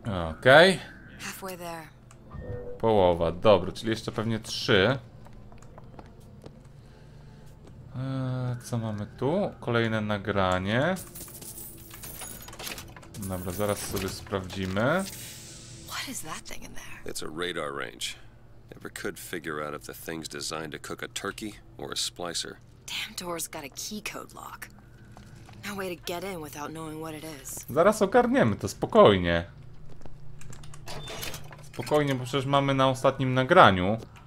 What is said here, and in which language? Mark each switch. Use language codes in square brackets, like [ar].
[pl] Okej. Połowa, dobra, czyli jeszcze pewnie trzy. Co mamy tu? Kolejne nagranie. Dobra, zaraz sobie sprawdzimy. [en] What is that thing in there? It's a radar range. Never could figure out if the thing's designed to cook a turkey or a splicer. Damn door's got a key code lock. No way to get in without knowing what it is. [pl] Zaraz ogarniemy to, spokojnie. Spokojnie, bo przecież mamy na ostatnim nagraniu.